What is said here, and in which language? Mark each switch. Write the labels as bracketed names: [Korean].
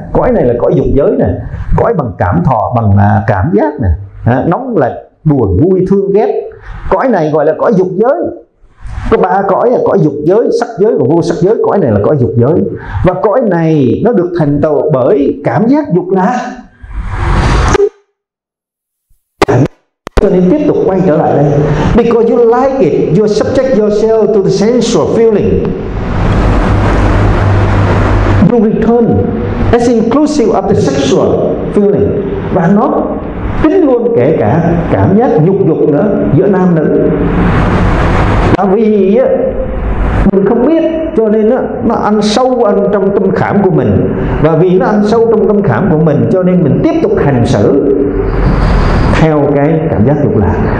[Vietnamese] Cõi này là cõi dục giới này, cõi bằng cảm thọ, bằng cảm giác này, nóng lạnh, buồn vui, thương ghét. Cõi này gọi là cõi dục giới. Có ba cõi là cõi dục giới, sắc giới và vô sắc giới. Cõi này là cõi dục giới. Và cõi này nó được thành tựu bởi cảm giác dục lạc. Cho nên tiếp tục quay trở lại đây. [English] Because you like it, you subject yourself to the sensual feeling. You return as inclusive of the sexual feeling. [Vietnamese] Và nó tính luôn kể cả cảm giác dục dục nữa, giữa nam nữ. À vì mình không biết cho nên nó ăn sâu ăn trong tâm khảm của mình. Và vì nó ăn sâu trong tâm khảm của mình cho nên mình tiếp tục hành xử theo cái cảm giác dục lạc.